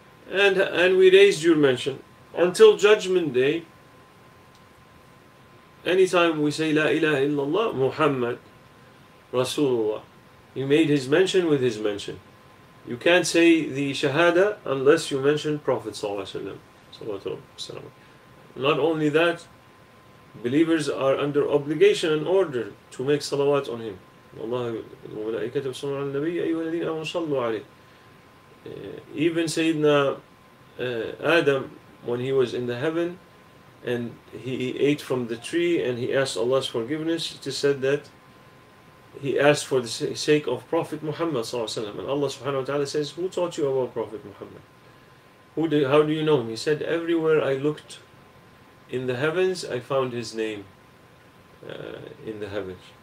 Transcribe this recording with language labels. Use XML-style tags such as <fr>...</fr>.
<en>And we raised your mention. Until judgment day, anytime we say La ilaha illallah Muhammad Rasulullah, you made his mention with his mention. You can't say the Shahada unless you mention Prophet Sallallahu Alaihi Wasallam. Not only that, believers are under obligation and order to make salawat on him.</en> <ar>والله وملائكته صلوا على النبي أيها الذين آمنوا صلوا عليه.</ar> <en>Even سيدنا آدم, when he was in the heaven and he ate from the tree and he asked Allah's forgiveness, it is said that he asked for the sake of Prophet Muhammad صلى الله عليه وسلم. And Allah سبحانه وتعالى says, who taught you about Prophet Muhammad? How do you know him? He said, everywhere I looked in the heavens, I found his name in the heavens.</en>